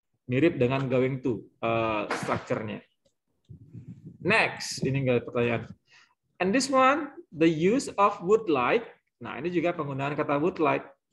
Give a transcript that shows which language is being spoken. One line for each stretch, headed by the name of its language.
Indonesian: Mirip dengan going to structure-nya. Next, ini enggak ada pertanyaan.
English: And this one, the use of would like.
Indonesian: Nah, ini juga penggunaan kata would like.